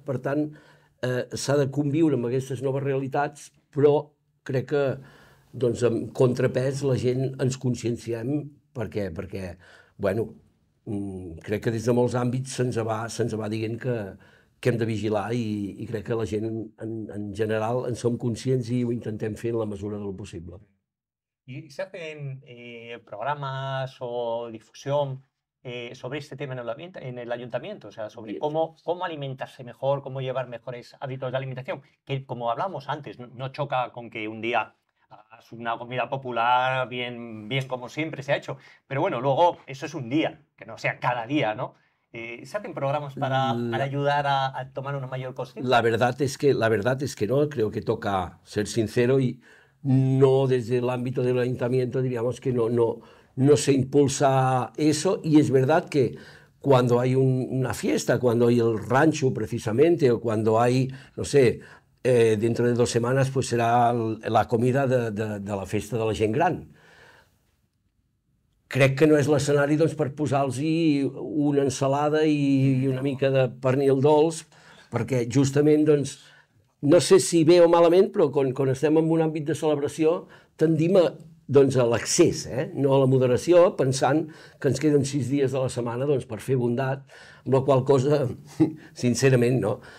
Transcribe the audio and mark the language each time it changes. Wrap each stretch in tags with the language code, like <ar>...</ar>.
<ca>Per tant, s'ha de conviure amb aquestes noves realitats, però crec que doncs, amb contrapès la gent ens conscienciem perquè bueno, crec que des de molts àmbits se'ns va dient que hem de vigilar i crec que la gent en general en som conscients i ho intentem fer en la mesura del possible. I s'ha fet programes o difusió</ca> <es>sobre este tema en el ayuntamiento, o sea, sobre cómo alimentarse mejor, cómo llevar mejores hábitos de alimentación, que como hablamos antes, no choca con que un día hagas una comida popular bien, bien como siempre se ha hecho, pero bueno, luego eso es un día, que no sea cada día, ¿no? ¿Se hacen programas para ayudar a tomar una mayor consciencia? La verdad es que no, creo que toca ser sincero y no desde el ámbito del ayuntamiento diríamos que no se impulsa eso y es verdad que cuando hay una fiesta, cuando hay el rancho precisamente o cuando hay, no sé, dentro de 2 semanas pues será la comida de la festa de la gent gran.</es> <ca>Crec que no és l'escenari doncs, per posar-los una ensalada i una mica de pernil dolç, perquè justament, doncs, no sé si bé o malament, però quan estem en un àmbit de celebració, tendim a l'excés, eh? No a la moderació, pensant que ens queden 6 dies de la setmana doncs, per fer bondat, amb la qual cosa, sincerament, no?</ca>